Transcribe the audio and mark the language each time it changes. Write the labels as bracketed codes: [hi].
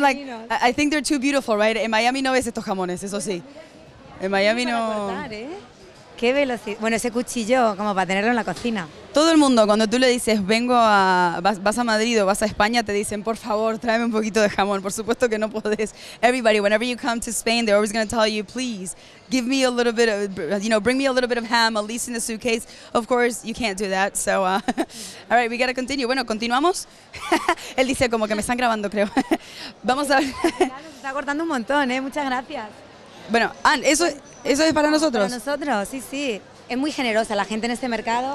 [en] divinos. I think they're too beautiful, right? [es] En Miami no ves estos jamones, eso sí. En Miami no... Qué velocidad. Bueno, ese cuchillo como para tenerlo en la cocina. Todo el mundo, cuando tú le dices, vas a Madrid o vas a España, te dicen, por favor, tráeme un poquito de jamón. Por supuesto que no podés. [en] Everybody, whenever you come to Spain, they're always going to tell you, please, give me a little bit of, you know, bring me a little bit of ham, at least in the suitcase. Of course, you can't do that. So, all right, we got to continue. [es] Bueno, continuamos. Él dice, como que me están grabando, creo. Vamos a ver. Nos está cortando un montón, ¿eh? Muchas gracias. Bueno, eso es para nosotros. Para nosotros, sí, sí. Es muy generosa la gente en este mercado.